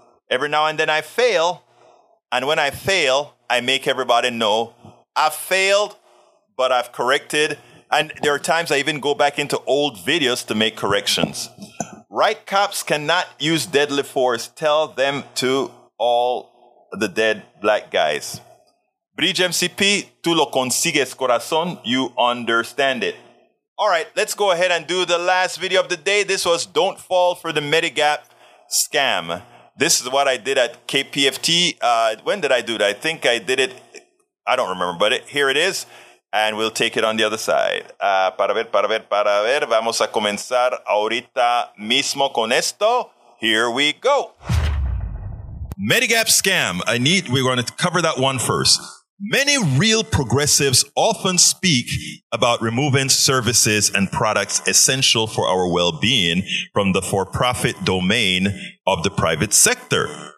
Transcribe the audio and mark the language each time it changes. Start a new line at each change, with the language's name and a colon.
English: Every now and then I fail. And when I fail, I make everybody know I've failed, but I've corrected. And there are times I even go back into old videos to make corrections. Right cops cannot use deadly force. Tell them to all the dead black guys.
Spanish: Bridge MCP, tú lo consigues, corazón.
English: You understand it. All right, let's go ahead and do the last video of the day. This was Don't Fall for the Medigap Scam. This is what I did at KPFT. When did I do that? I think I did it. I don't remember, but here it is. And we'll take it on the other side.
Spanish: Para ver. Vamos a comenzar ahorita mismo con esto.
English: Here we go. Medigap scam. We're going to cover that one first. Many real progressives often speak about removing services and products essential for our well-being from the for-profit domain of the private sector.